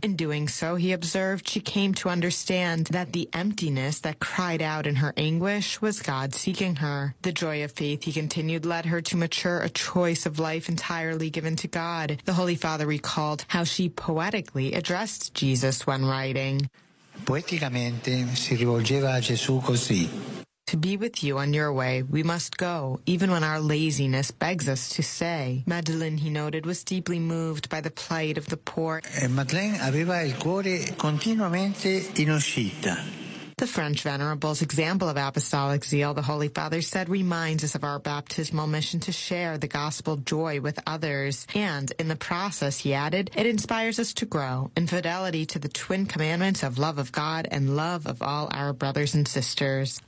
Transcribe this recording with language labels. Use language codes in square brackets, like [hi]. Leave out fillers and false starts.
[en] In doing so, he observed, she came to understand that the emptiness that cried out in her anguish was God seeking her. The joy of faith, he continued, led her to mature a choice of life entirely given to God. The Holy Father recalled how she poetically addressed Jesus when writing. [it] Poeticamente si rivolgeva a Gesù così. [en] To be with you on your way, we must go, even when our laziness begs us to stay. Madeline, he noted, was deeply moved by the plight of the poor. [it] Madeline aveva il cuore continuamente in uscita. The French Venerable's example of apostolic zeal, the Holy Father said, reminds us of our baptismal mission to share the gospel joy with others. And in the process, he added, it inspires us to grow in fidelity to the twin commandments of love of God and love of all our brothers and sisters.